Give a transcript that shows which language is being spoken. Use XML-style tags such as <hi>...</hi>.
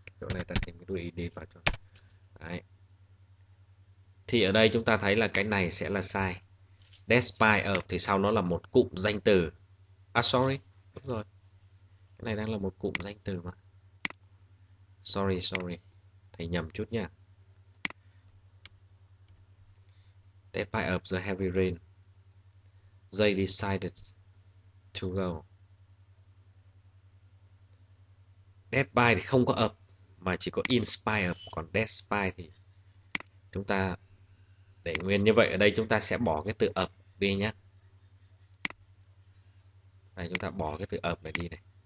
<vi>Chỗ này ta thêm cái đuôi đi vào cho đấy. Thì ở đây chúng ta thấy là cái này sẽ là sai. Despite of thì sau nó là một cụm danh từ. À sorry, đúng rồi. Cái này đang là một cụm danh từ mà. Sorry, thầy nhầm chút nha.</vi> <en>Despite of the heavy rain, they decided to go.</en> <vi>Despite thì không có of mà chỉ có inspire, còn despite thì chúng ta để nguyên như vậy. Ở đây chúng ta sẽ bỏ cái từ of đi nhé. Đây chúng ta bỏ cái từ of này đi này.</vi>